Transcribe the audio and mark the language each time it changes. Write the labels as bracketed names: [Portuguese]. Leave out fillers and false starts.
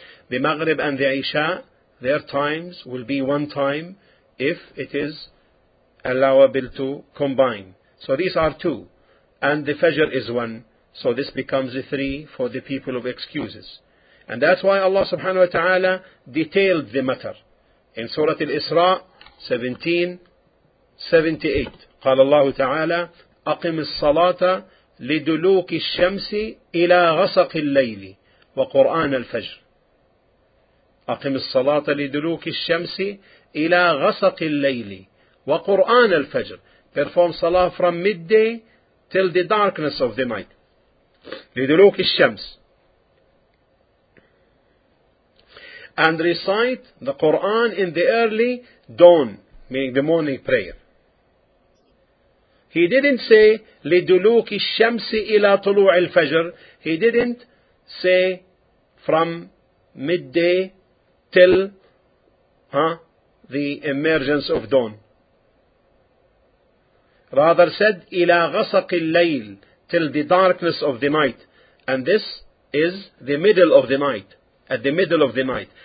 [English] The Maghrib and the Isha, their times will be one time if it is allowable to combine. So these are two. And the Fajr is one. So this becomes a three for the people of excuses. And that's why Allah subhanahu wa ta'ala detailed the matter. In Surah Al-Isra 17:78, [Arabic] قال الله تعالى أقم الصلاة لدلوك الشمس إلى غسق الليل وقرآن الفجر. أقم الصلاة لدلوك الشمس إلى غسق الليل وقرآن الفجر. [English] Perform salah from midday till the darkness of the night. [Arabic] لدلوك الشمس. [English] And recite the Quran in the early dawn, meaning the morning prayer. He didn't say [Arabic] لدلوك الشمس إلى طلوع الفجر. [English] He didn't say from midday till the emergence of dawn. Rather said, [Arabic] إلى غسق الليل, [English] till the darkness of the night. And this is the middle of the night. At the middle of the night.